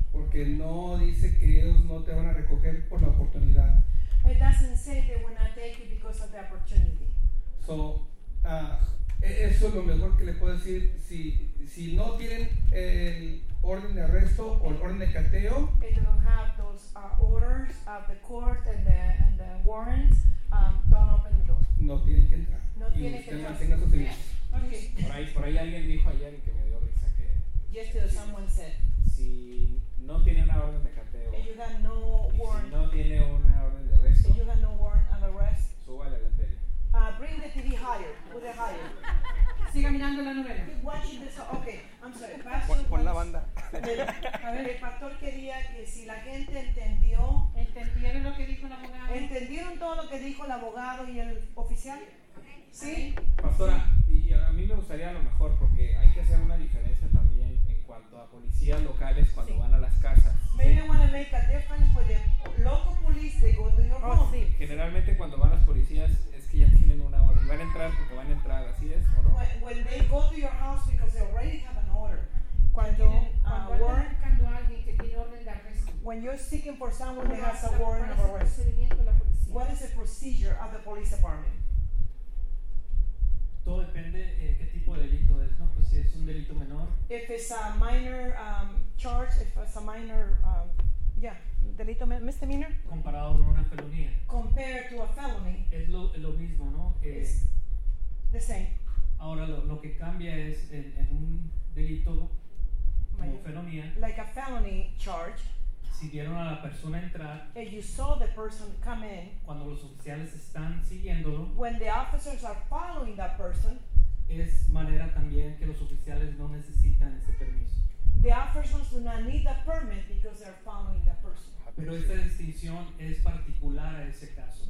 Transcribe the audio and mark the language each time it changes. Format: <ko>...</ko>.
<es>Porque no dice que ellos no te van a recoger por la oportunidad.</es> <en>It doesn't say they will not take you because of the opportunity.</en> <es>So, eso es lo mejor que le puedo decir. Si no tienen el orden de arresto o el orden de cateo,</es> <en>if they don't have those orders of the court and the warrants, don't open the door.</en> <es>No tienen que entrar. No tienen que entrar. Yeah.</es> <en>Okay.</en> <es>Por ahí alguien dijo ayer que me dio risa que.</es> <en>Yesterday someone said.</en> <es>Si no tiene una orden de cateo.</es> <en>If you have no warrant.</en> <es>Si no tiene una orden de arresto.</es> <en>If you have no warrant of arrest.</en> <es>Súbale la tele.</es> <en>Bring the TV higher. Put it higher.</en> <es>Siga mirando la novela.</es> <en>Keep watching this. Okay, I'm sorry. Pastor,</en> <es>pon la banda. A ver, el pastor quería que si la gente entendió. ¿Entendieron lo que dijo el abogado? ¿Entendieron todo lo que dijo el abogado y el oficial? ¿Sí? Pastora, y a mí me gustaría a lo mejor, porque hay que hacer una diferencia también en cuanto a policías locales cuando van a las casas.</es> <en>Maybe I want to make a difference with the local police that go to your home.</en> <es>Sí. Generalmente cuando van las policías es que ya tienen una orden. Van a entrar porque van a entrar, ¿así es o no?</es> <en>When they go to your house because they already have an order.</en> <es>Cuando alguien que tiene orden de arresto.</es> <en>When you're seeking for someone that has a warrant of arrest.</en> <es>¿Cuál es el procedimiento de la policía?</es> <en>What is the procedure of the police department?</en> <es>Todo depende de qué tipo de delito es, ¿no? Pues si es un delito menor.</es> <en>If it's a minor charge, if it's a minor,</en> <es>delito misdemeanor. Comparado con una felonía.</es> <en>Compared to a felony.</en> <es>Es lo mismo, ¿no?</es> <en>It's the same.</en> <es>Ahora lo que cambia es en un delito como felonía.</es> <en>Like a felony charge.</en> <es>si vieron a la persona entrar,</es> <en>if you saw the person come in,</en> <es>cuando los oficiales están siguiéndolo,</es> <en>when the officers are following that person,</en> <es>es manera también que los oficiales no necesitan ese permiso.</es> <en>The officers do not need the permit because they're following the person.</en> <es>Pero esta distinción es particular a ese caso.</es>